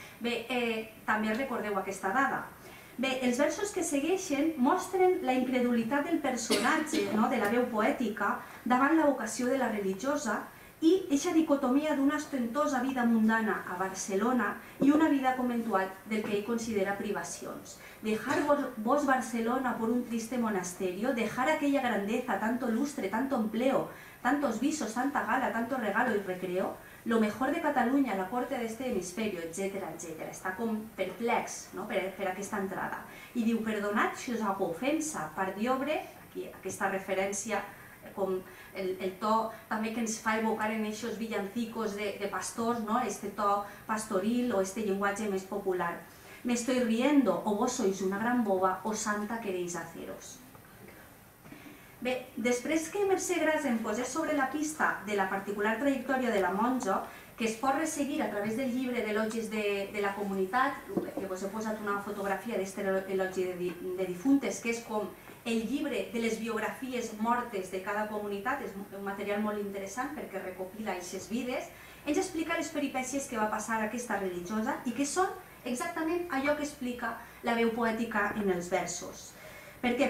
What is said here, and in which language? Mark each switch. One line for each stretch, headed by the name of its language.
Catalan: Bé, també recordeu aquesta dada. Bé, els versos que segueixen mostren la incredulitat del personatge, no?, de la veu poètica, davant la vocació de la religiosa i eixa dicotomia d'una ostentosa vida mundana a Barcelona i una vida conventual del que ell considera privacions.
Spanish: Dejar vos Barcelona por un triste monasterio, dejar aquella grandeza, tanto lustre, tanto empleo, tantos visos, tanta gala, tanto regalo y recreo, lo mejor de Cataluña, la corte de este hemisferio, etcétera, etcétera.
Catalan: Está com perplex, no?, per aquesta entrada. I diu,
Spanish: perdonad si us hago ofensa,
Catalan: per diobre, aquí aquesta referència, com el to també que ens fa evocar en eixos villancicos de pastors, no?, este to pastoril o este llenguatge més popular.
Spanish: Me estoy riendo, o vos sois una gran boba, o santa queréis haceros.
Catalan: Bé, després que Mercè Gras em posés sobre la pista de la particular trajectòria de la monja, que es pot resseguir a través del llibre d'elogis de la comunitat, que vos he posat una fotografia d'este elogi de difuntes, que és com el llibre de les biografies mortes de cada comunitat, és un material molt interessant perquè recopila aixes vides, ens explica les peripècies que va passar aquesta religiosa i que són exactament allò que explica la veu poètica en els versos. Per què?